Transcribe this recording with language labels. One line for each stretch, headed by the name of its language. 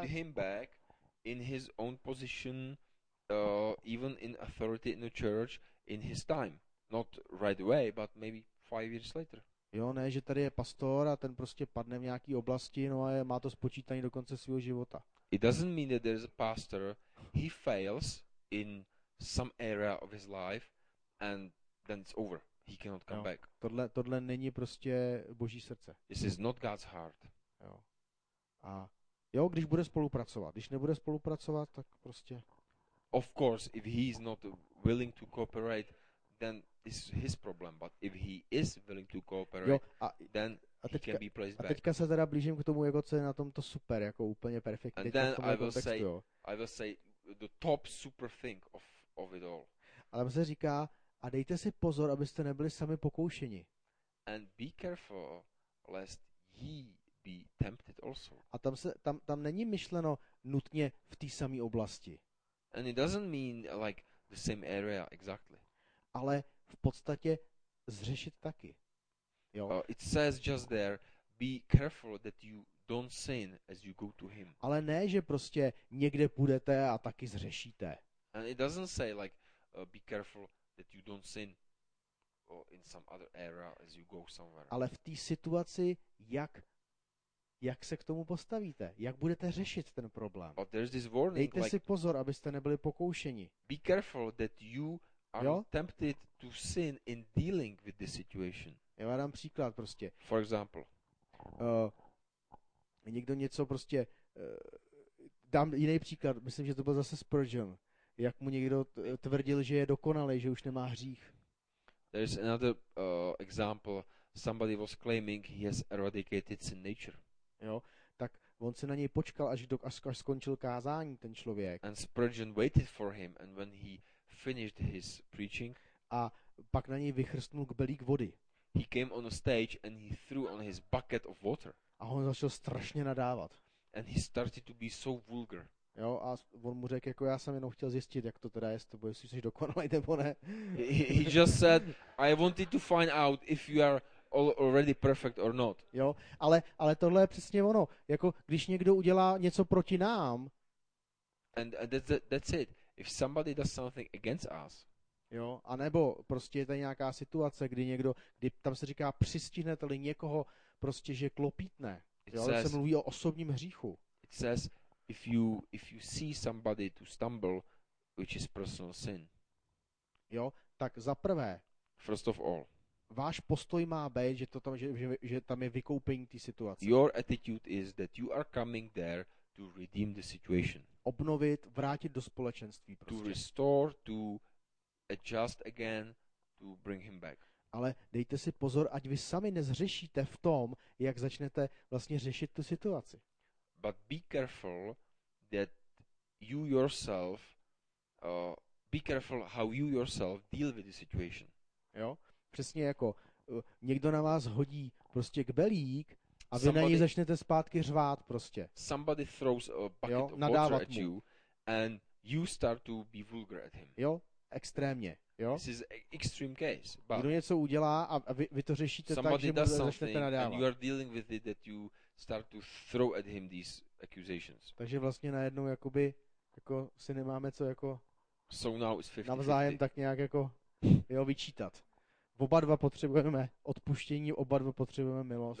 English: Put him back in his own position even in authority in the church in his time. Not right away, but maybe 5 years later.
Czech: Jo, ne, že tady je pastor a ten prostě padne v nějaký oblasti, no a má to spočítaný do konce svého života.
English: It doesn't mean that there is a pastor, he fails in some area of his life and then it's over. He cannot come back.
Czech: Tohle není prostě Boží srdce.
English: This is not God's heart.
Czech: Jo. A jo, když bude spolupracovat, když nebude spolupracovat, tak prostě
English: of course if he is not willing to cooperate, then is his problem, but if he is willing to cooperate, then
Czech: teďka,
English: he can be placed back.
Czech: A teďka se teda blížím k tomu, jako co je na tom to super, jako úplně perfektně.
English: And then I will say the top super thing of it all.
Czech: Ale se říká, a dejte si pozor, abyste nebyli sami pokoušeni.
English: And be careful lest ye be tempted also.
Czech: A tam se tam není myšleno nutně v té samé oblasti.
English: And it doesn't mean like the same area exactly.
Czech: Ale v podstatě zřešit taky. Jo.
English: It says just there be careful that you don't sin as you go to him.
Czech: Ale ne, že prostě někde půjdete a taky zřešíte.
English: And it doesn't say like be careful that you don't sin or in some other area as you go somewhere.
Czech: Ale v té situaci, jak se k tomu postavíte? Jak budete řešit ten problém?
English: But there's this warning,
Czech: dejte
English: like,
Czech: si pozor, abyste nebyli pokoušeni.
English: Be careful that you are tempted to sin in dealing with this situation.
Czech: Já dám příklad prostě.
English: For example.
Czech: Někdo něco prostě... dám jiný příklad, myslím, že to byl zase Spurgeon. Jak mu někdo tvrdil, že je dokonalý, že už nemá hřích.
English: There's another example. Somebody was claiming he has eradicated sin nature.
Czech: Jo, tak on se na něj počkal, až skončil kázání ten člověk.
English: And Spurgeon waited for him, and when he finished his preaching.
Czech: A pak na něj vychrstnul kbelík vody.
English: He came on a stage and he threw on his bucket of water.
Czech: A on začal strašně nadávat.
English: And he started to be so vulgar.
Czech: Jo, a on mu řekl, jako já jsem jenom chtěl zjistit, jak to teda je s tobou, jestli jsi dokonalý nebo ne.
English: He just said, I wanted to find out if you are already perfect or not.
Czech: Jo, ale tohle je přesně ono. Jako když někdo udělá něco proti nám.
English: And that's it. If somebody does something against us.
Czech: Jo, a nebo prostě je tady nějaká situace, kdy někdo, kdy tam se říká, přistihnete-li někoho prostě, že klopítne. Jo,
English: says,
Czech: se mluví o osobním hříchu.
English: It says, if you see somebody to stumble, which is personal sin.
Czech: Jo, tak za prvé.
English: First of all.
Czech: Váš postoj má být, že to tam, že tam je vykoupení té situace.
English: Your attitude is that you are coming there to redeem the situation.
Czech: Obnovit, vrátit do společenství prostě.
English: To restore, to adjust again, to bring him back.
Czech: Ale dejte si pozor, ať vy sami nezřešíte v tom, jak začnete vlastně řešit tu situaci.
English: But be careful that you yourself be careful how you yourself deal with the situation.
Czech: Jo? Přesně jako někdo na vás hodí prostě kbelík a vy na něj začnete zpátky řvát prostě.
English: Somebody throws a bucket of water at you and you start to be vulgar at him.
Czech: Jo, extrémně. Jo?
English: This is extreme case. But
Czech: kdo něco udělá a vy to řešíte tak, že mu začnete nadávat.
English: And you are dealing with it that you start to throw at him these accusations.
Czech: Takže vlastně najednou jakoby jako si nemáme co jako
English: so now it's 50-50.
Czech: Navzájem tak nějak jako jo, vyčítat. Oba dva potřebujeme odpuštění, oba dva potřebujeme milost.